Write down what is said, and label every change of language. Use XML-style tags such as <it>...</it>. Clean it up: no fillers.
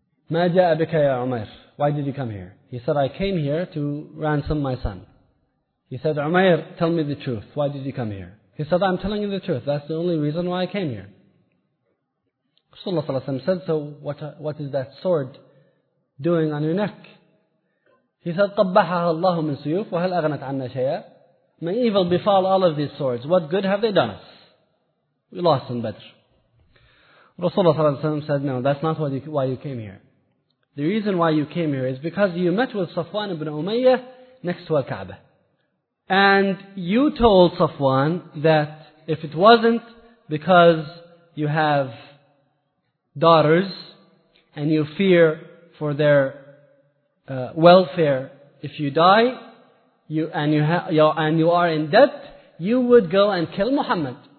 <ar>Ma ja'a bika ya Umair,</ar> <en>why did you come here?" He said, "I came here to ransom my son." He said, "Umair, tell me the truth, why did you come here?" He said, "I'm telling you the truth, that's the only reason why I came here." Rasulullah sallallahu alayhi wa sallam said, "So what is that sword doing on your neck?" He said,</en> <ar>"طَبَّحَهَا اللَّهُ مِنْ سُيُوفُ وَهَلْ أَغْنَتْ عَنَّا شَيَا."</ar> <en>May evil befall all of these swords. What good have they done us? We lost in Badr. Rasulullah ﷺ said, "No, that's not why you came here. The reason why you came here is because you met with Safwan ibn Umayyah next to Al-Kaaba. And you told Safwan that if it wasn't because you have daughters and you fear for their welfare, if you die, you are in debt, you would go and kill Muhammad.</en>